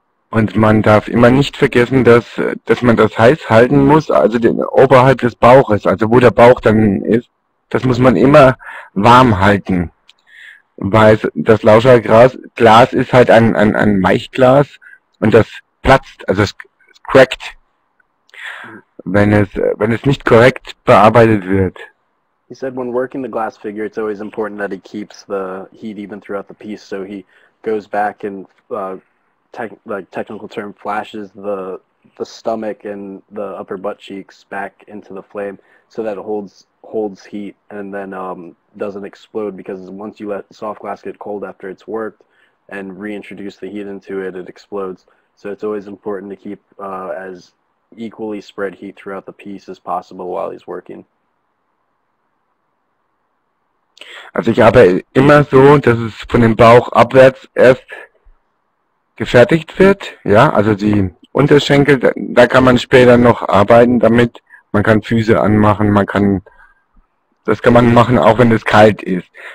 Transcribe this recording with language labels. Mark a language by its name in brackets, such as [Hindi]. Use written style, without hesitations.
[German] Und man darf immer nicht vergessen, dass man das heiß halten muss, also oberhalb des Bauches, also wo der Bauch dann ist, das muss man immer warm halten. Weil das Lauscherglas ist halt ein Weichglas und das platzt, also es crackt. wenn es nicht korrekt bearbeitet wird. [English] He said when working the glass figure, it's always important that he keeps the heat even throughout the piece, so he goes back and technical term, flashes the stomach and the upper butt cheeks back into the flame so that it holds heat and then doesn't explode, because once you let soft glass get cold after it's worked and reintroduce the heat into it, it explodes. So it's always important to keep as equally spread heat throughout the piece as possible while he's working. [German] Also ich habe immer so, dass es von dem Bauch abwärts erst gefertigt wird, ja, also die Unterschenkel, da kann man später noch arbeiten damit, man kann Füße anmachen, das kann man machen, auch wenn es kalt ist.